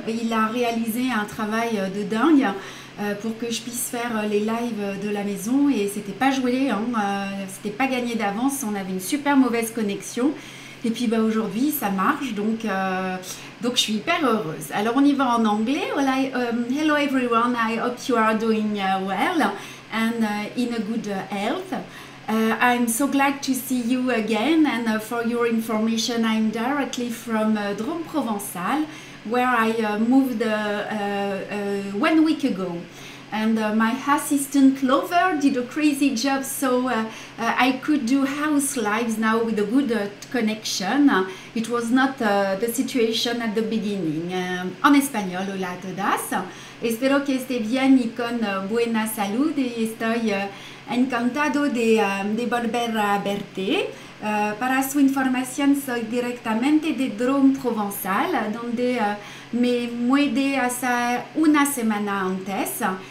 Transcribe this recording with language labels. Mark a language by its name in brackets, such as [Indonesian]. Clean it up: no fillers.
[French] Il a réalisé un travail de dingue pour que je puisse faire les lives de la maison et c'était pas joué, hein. C'était pas gagné d'avance. On avait une super mauvaise connexion. Et puis bah, aujourd'hui, ça marche, donc je suis hyper heureuse. Alors, on y va en anglais. [English] Hello everyone, I hope you are doing well and in a good health. I'm so glad to see you again. And for your information, I'm directly from Drôme Provençal, where I moved 1 week ago. And my assistant Clover did a crazy job, so I could do house lives now with a good connection. It was not the situation at the beginning. [Spanish] En español, hola a todas. Espero que esté bien y con buena salud. Y estoy encantado de volver a verte. Para su información, soy directamente de Drôme Provençal, donde me mudé hace una semana antes.